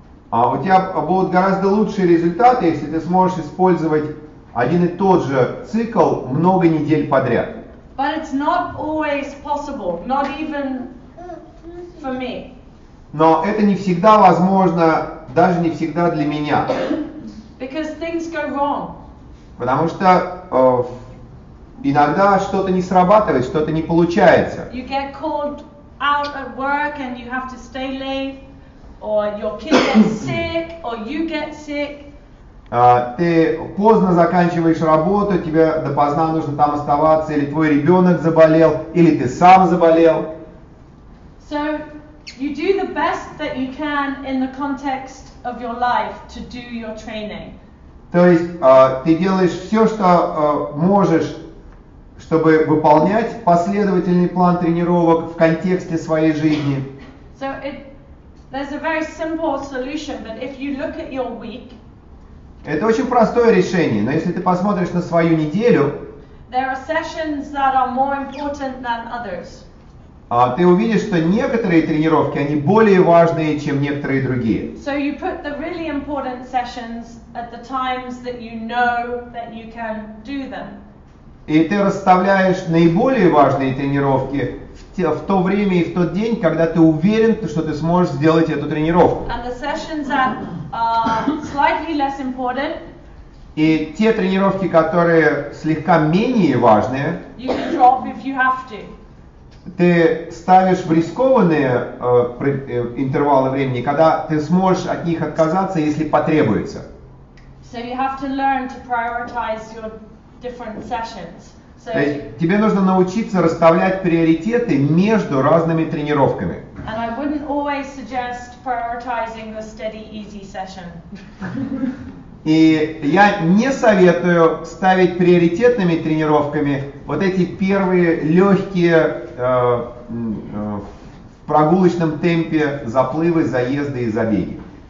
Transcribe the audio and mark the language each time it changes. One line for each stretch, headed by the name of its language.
Russian: А у тебя будут гораздо лучшие результаты, если ты сможешь использовать один и тот же цикл много недель подряд.
English: But it's not always possible, not even for me.
Russian: Но это не всегда возможно, даже не всегда для меня.
English: Because things go wrong.
Russian: Потому что иногда что-то не срабатывает, что-то не получается.
English: You get called out at work and you have to stay late, or your kid gets sick, or you get sick.
Russian: Ты поздно заканчиваешь работу, тебе допоздна нужно там оставаться, или твой ребенок заболел, или ты сам заболел.
English: So you do the best that you can in the context of your life to do your training.
Russian: То есть ты делаешь все, что можешь, чтобы выполнять последовательный план тренировок в контексте своей жизни.
English: So there's a very simple solution, but if you look at your week,
Russian: это очень простое решение, но если ты посмотришь на свою неделю,
English: there are sessions that are more important than others.
Russian: Ты увидишь, что некоторые тренировки, они более важные, чем некоторые другие.
English: So you put the really important sessions at the times that you know that you can do them.
Russian: И ты расставляешь наиболее важные тренировки в то время и в тот день, когда ты уверен, что ты сможешь сделать эту тренировку.
English: And the sessions that are slightly less important,
Russian: и те тренировки, которые слегка менее важные,
English: you can drop if you have to.
Russian: Ты ставишь в рискованные интервалы времени, когда ты сможешь от них отказаться, если потребуется.
English: So you have to learn to prioritize your different sessions. So,
Russian: тебе нужно научиться расставлять приоритеты между разными тренировками.
English: And I wouldn't always suggest prioritizing the steady easy session.
Russian: И я не советую ставить приоритетными тренировками вот эти первые легкие в прогулочном темпе заплывы, заезды и забеги.